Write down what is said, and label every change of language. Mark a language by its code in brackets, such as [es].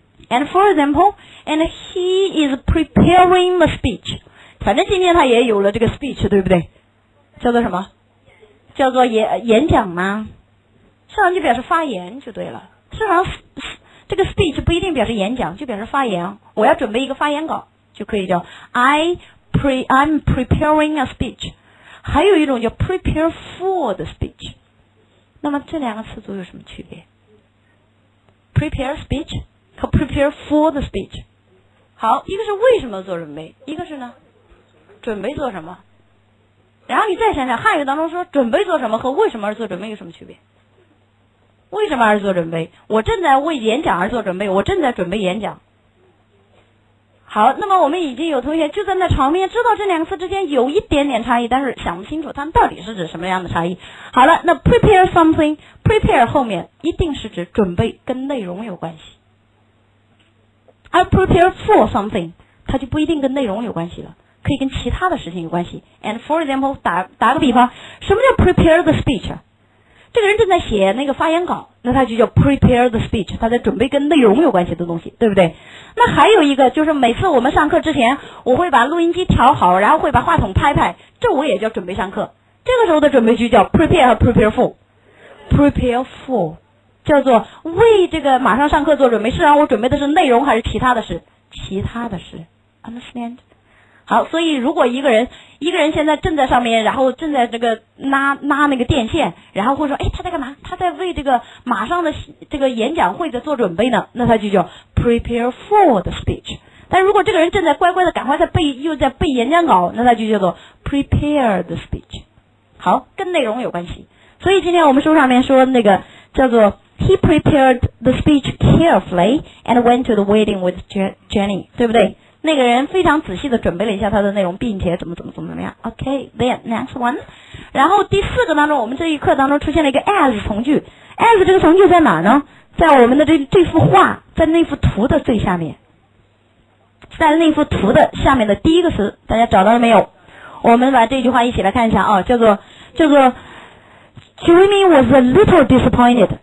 [en] And for example, and he is preparing a speech. [zh] 反正今天他也有了这个 speech, 对不对？叫做什么？叫做 演讲吗？实际上就表示发言就对了。实际上这个 speech 不一定表示演讲，就表示发言。我要准备一个发言稿，就可以叫 I'm preparing a speech。还有一种叫 prepare for the speech。那么这两个词组有什么区别？ [en] prepare speech 和 prepare for the speech。 [zh] 好，一个是为什么做准备，一个是呢准备做什么。然后你再想想汉语当中说准备做什么和为什么而做准备有什么区别？为什么而做准备？我正在为演讲而做准备，我正在准备演讲。好，那么我们已经有同学就在那场面知道这两个词之间有一点点差异，但是想不清楚它到底是指什么样的差异。好了，那 prepare something, prepare 后面一定是指准备跟内容有关系。而 prepare for something, 它就不一定跟内容有关系了，可以跟其他的事情有关系。 [en] And for example, 打个比方，什么叫 prepare the speech? [zh] 这个人正在写那个发言稿，那他就叫 prepare the speech, 他在准备跟内容有关系的东西，对不对？那还有一个就是每次我们上课之前我会把录音机调好，然后会把话筒拍拍，这我也叫准备上课。这个时候的准备句叫 prepare 和 prepare for。 prepare for 叫做为这个马上上课做准备，是让我准备的是内容还是其他的事？其他的事。 understand? 好，所以如果一个人现在正在上面，然后正在这个拉那个电线，然后会说，哎，他在干嘛？他在为这个马上的这个演讲会的做准备呢，那他就叫 prepare for the speech。但如果这个人正在乖乖的赶快在背演讲稿，那他就叫做 prepare the speech。好，跟内容有关系。 [en] 所以今天我们书上面说那个叫做 he prepared the speech carefully and went to the wedding with Jenny, 对不对？ [zh] 那个人非常仔细地准备了一下他的内容，并且怎么样。 OK, then, next one. 然后第四个当中，我们这一课当中出现了一个 as 从句。 as 这个从句在哪呢？在我们的这幅画，在那幅图的最下面。在那幅图的下面的第一个词，大家找到了没有？我们把这句话一起来看一下啊，叫做 Jimmy was a little disappointed.